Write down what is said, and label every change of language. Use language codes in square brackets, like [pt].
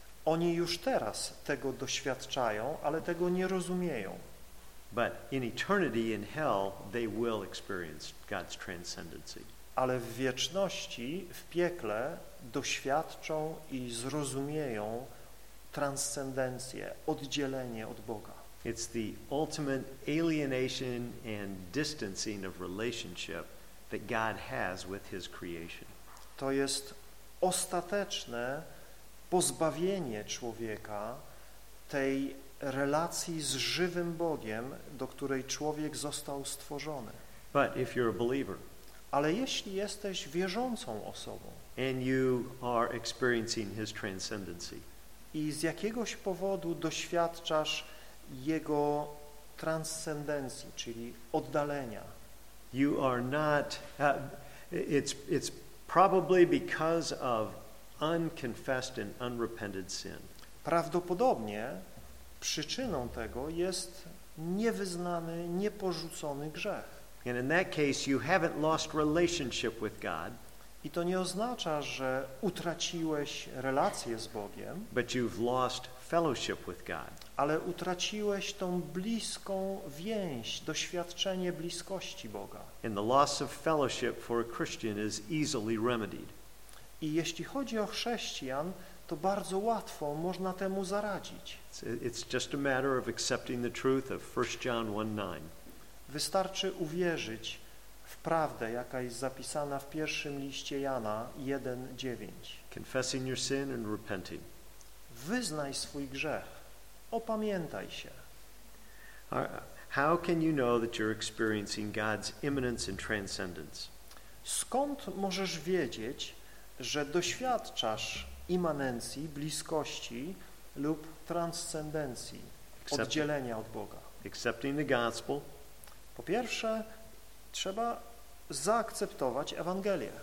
[pl] Oni już teraz tego doświadczają, ale tego nie rozumieją. [en] But in eternity in hell, they will experience God's transcendency. [pl] Ale w wieczności, w piekle, doświadczą i zrozumieją transcendencję, oddzielenie od Boga. [en] It's the ultimate alienation and distancing of relationship that God has with his creation. [pl] To jest ostateczne pozbawienie człowieka tej relacji z żywym Bogiem, do której człowiek został stworzony. [en] But if you're a believer, [pl] ale jeśli jesteś wierzącą osobą, [en] and you are experiencing his transcendency, [pl] i z jakiegoś powodu doświadczasz jego transcendencji, czyli oddalenia, [en] you are not, it's probably because of unconfessed and unrepented sin. [pl] Prawdopodobnie przyczyną tego jest niewyznany, nieporzucony grzech. [en] And in that case you haven't lost relationship with God. [pl] I to nie oznacza, że utraciłeś relację z Bogiem. [en] But you've lost fellowship with God. [pl] Ale utraciłeś tą bliską więź, doświadczenie bliskości Boga. [en] And the loss of fellowship for a Christian is easily remedied. [pl] I jeśli chodzi o chrześcijan, to bardzo łatwo można temu zaradzić. [en] It's just a matter of accepting the truth of 1 John 1:9. [pl] Wystarczy uwierzyć w prawdę, jaka jest zapisana w pierwszym liście Jana 1:9. [en] Confessing your sin and repenting. [pl] Wyznaj swój grzech. Opamiętaj się. [en] How can you know that you're experiencing God's immanence and transcendence? [pl] Skąd możesz wiedzieć, że doświadczasz immanencji, bliskości lub transcendencji, oddzielenia od Boga? [en] Accepting the gospel. [pl] Po pierwsze, trzeba zaakceptować Ewangelię.